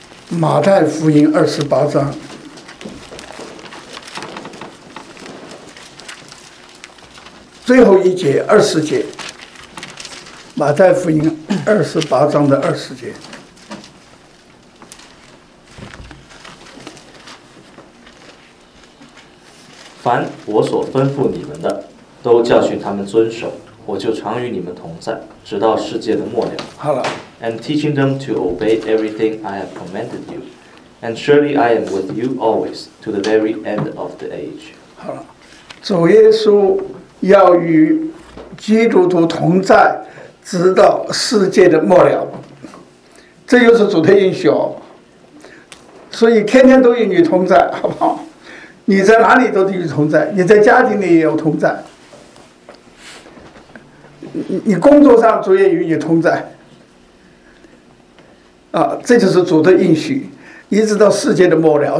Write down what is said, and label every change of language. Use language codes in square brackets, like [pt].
[zh] 马太福音28章最后一节20节，马太福音28章的20节。凡我所吩咐你们的，都教训他们遵守，我就常与你们同在，直到世界的末了。好了。 [en] I'm teaching them to obey everything I have commanded you, and surely I am with you always, to the very end of the age. [zh] 好了，主耶稣要与基督徒同在，直到世界的末了。这就是主的应许，所以天天都与你同在，好不好？你在哪里都与同在，你在家庭里也有同在，你工作上主也与你同在，这就是主的应许，一直到世界的末了。